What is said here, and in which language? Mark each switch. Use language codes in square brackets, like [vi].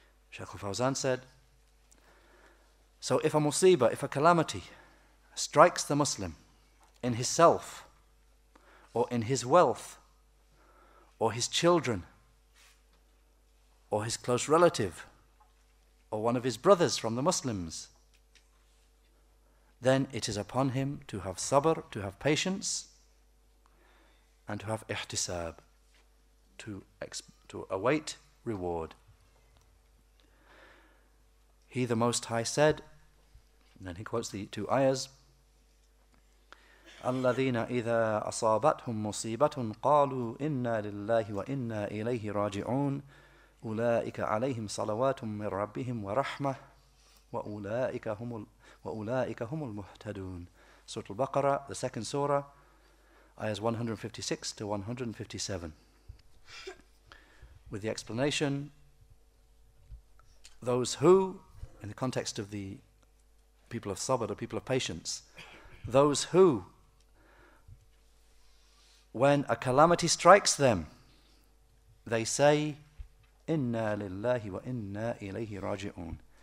[en] Shaykh al-Fawzan said, so if a musibah, if a calamity strikes the Muslim in his self, or in his wealth, or his children, or his close relative, or one of his brothers from the Muslims, then it is upon him to have sabr, to have patience, and to have ihtisab, to await reward. He the Most High said, and then he quotes the two ayahs, [ar] الَّذِينَ إِذَا أَصَابَتْهُمْ مُصِيبَةٌ قَالُوا إِنَّا لِلَّهِ وَإِنَّا إِلَيْهِ رَاجِعُونَ أُولَٰئِكَ عَلَيْهِمْ صَلَوَاتٌ مِّن رَّبِّهِمْ وَرَحْمَةٌ وَأُولَٰئِكَ هُمُ الْمُهْتَدُونَ [en] Surah Al-Baqarah, the second surah, ayahs 156-157. With the explanation, those who, in the context of the people of sabr, the people of patience, those who, when a calamity strikes them, they say, [ar] Inna lillahi wa inna ilayhi raji'un.